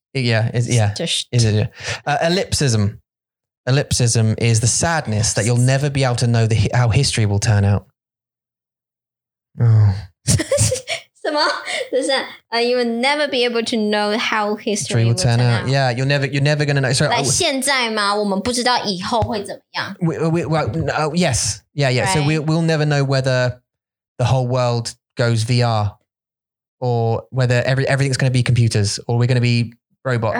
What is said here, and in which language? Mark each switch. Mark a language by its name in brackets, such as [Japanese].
[English] yeah, is it ellipsism? Ellipsism is the sadness that you'll never be able to know how history will turn out. Oh, [Chinese] 什么？就是 [English] you will never be able to know how history will turn out. Yeah, you're never gonna know. Sorry, [Chinese] 来现在吗？我们不知道以后会怎么样。 [English] Yes. Yeah, yeah.、Right. So we'll never know whether the whole world goes VR or whether everything's going to be computers or we're going to be robots、